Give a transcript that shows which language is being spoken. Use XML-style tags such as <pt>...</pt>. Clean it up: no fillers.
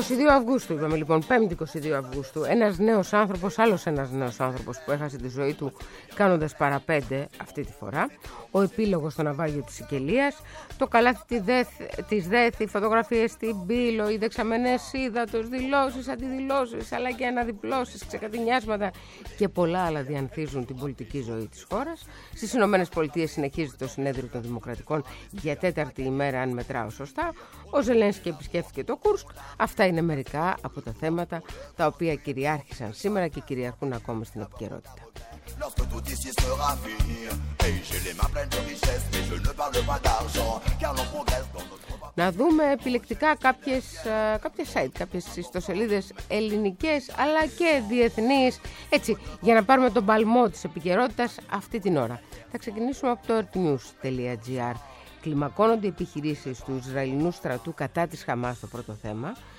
<el>Αυγούστου, είπαμε λοιπόν, 5η 22 Αυγούστου, ένας νέος άνθρωπος, άλλος ένας νέος άνθρωπος που έχασε τη ζωή του κάνοντας παραπέντε αυτή τη φορά, ο επίλογος στο ναυάγιο της Σικελίας, το καλάθι της ΔΕΘ, οι φωτογραφίες στην Πύλο, οι δεξαμενές ύδατος, δηλώσεις, αντιδηλώσεις, αλλά και αναδιπλώσεις, ξεκατηνιάσματα και πολλά άλλα διανθίζουν την πολιτική ζωή της χώρας. Στις Ηνωμένες Πολιτείες συνεχίζεται το συνέδριο των Δημοκρατικών για τέταρτη ημέρα, αν μετράω σωστά. Ο Ζελένσκι επισκέφθηκε το Κούρσκ. Αυτά είναι μερικά από τα θέματα τα οποία κυριάρχησαν σήμερα και κυριαρχούν ακόμα στην επικαιρότητα.</el> <fr>Lorsque tout ici sera fini, et j'ai les mains pleines de richesses, mais je ne parle pas d'argent, car l'on progresse dans notre...</fr> <el>Να δούμε επιλεκτικά κάποιες site, κάποιες ιστοσελίδες ελληνικές αλλά και διεθνείς, έτσι, για να πάρουμε τον παλμό της επικαιρότητας αυτή την ώρα. Θα ξεκινήσουμε από το earthnews.gr. Κλιμακώνονται επιχειρήσεις του Ισραηλινού στρατού κατά της Χαμάς το πρώτο θέμα.</el>